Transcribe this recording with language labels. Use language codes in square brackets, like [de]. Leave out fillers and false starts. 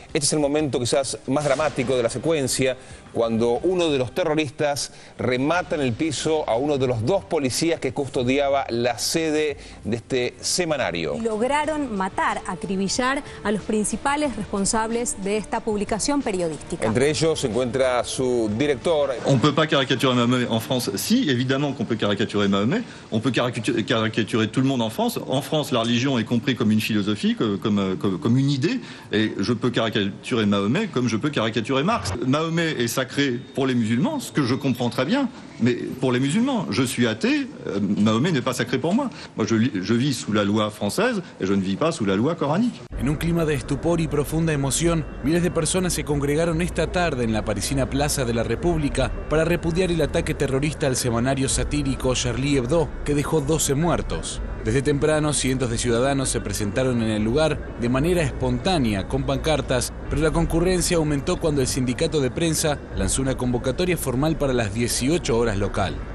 [es] Este es el momento quizás más dramático de la secuencia, cuando uno de los terroristas remata en el piso a uno de los 2 policías que custodiaba la sede de este semanario. Y lograron matar, acribillar a los principales responsables de esta publicación periodística. Entre ellos se encuentra su director. [fr] On peut pas caricaturer Mahomet en France. Sí, évidemment qu'on peut caricaturer Mahomet. On peut caricaturer tout le monde en France. En France, la religion est comprise comme une philosophie, comme une idée. Et je peux caricaturer Mahomet comme je peux caricaturer Marx. Mahomet est sacré pour les musulmans, ce que je comprends très bien, mais pour les musulmans, je suis athée, Mahomet n'est pas sacré pour moi. Moi, je vis sous la loi française et je ne vis pas sous la loi coranique. [es] En un clima de estupor y profunda emoción, miles de personas se congregaron esta tarde en la parisina Plaza de la República para repudiar el ataque terrorista al semanario satírico Charlie Hebdo, que dejó 12 muertos. Desde temprano, cientos de ciudadanos se presentaron en el lugar de manera espontánea, con pancartas, pero la concurrencia aumentó cuando el sindicato de prensa lanzó una convocatoria formal para las 18 horas local.